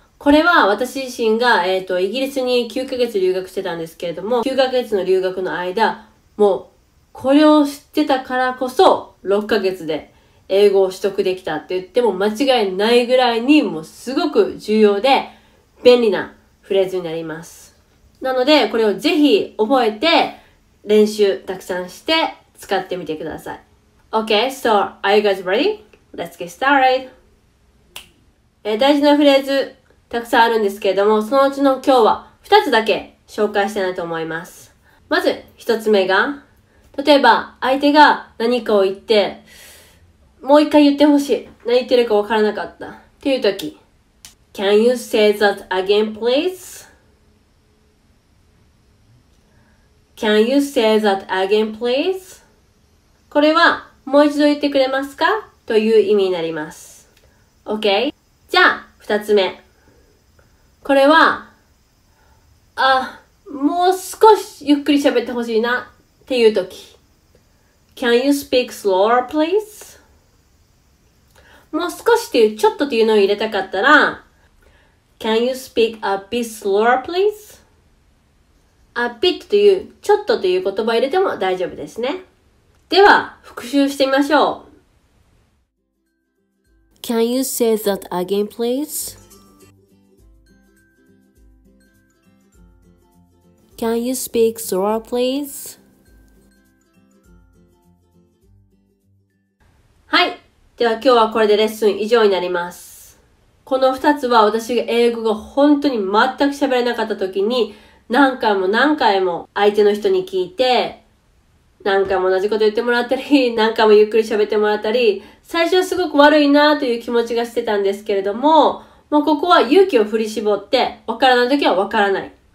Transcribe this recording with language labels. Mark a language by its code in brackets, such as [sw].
[ja] これは私自身がイギリスに9ヶ月留学してたんですけれども、9ヶ月の留学の間もうこれを知ってたからこそ6ヶ月で英語を取得できたって言っても間違いないぐらいに、もうすごく重要で便利なフレーズになります。なのでこれをぜひ覚えて練習たくさんして使ってみてください。 [en] Okay, so are you guys ready? Let's get started! [ja] 大事なフレーズたくさんあるんですけれども、そのうちの今日は2つだけ紹介したいと思います。まず1つ目が、例えば相手が何かを言って、もう一回言ってほしい。何言ってるかわからなかった。っていうとき、 [en] Can you say that again, please? Can you say that again, please? [ja] これはもう一度言ってくれますかという意味になります。 [en] OK? [ja] じゃあ、二つ目。これは、あ、もう少しゆっくり喋ってほしいなっていうとき。 [en] Can you speak slower, please? [ja] もう少しっていう、ちょっとっていうのを入れたかったら、 [en] Can you speak a bit slower, please? [ja] A bit という、ちょっとという言葉を入れても大丈夫ですね。では、復習してみましょう。 [en] Can you say that again, please?Can you speak slower, please? [ja] はい。では、今日はこれでレッスン以上になります。この2つは私が英語が本当に全く喋れなかった時に、何回も何回も相手の人に聞いて、何回も同じこと言ってもらったり、何回もゆっくり喋ってもらったり、最初はすごく悪いなという気持ちがしてたんですけれども、もうここは勇気を振り絞って、わからない時はわからない。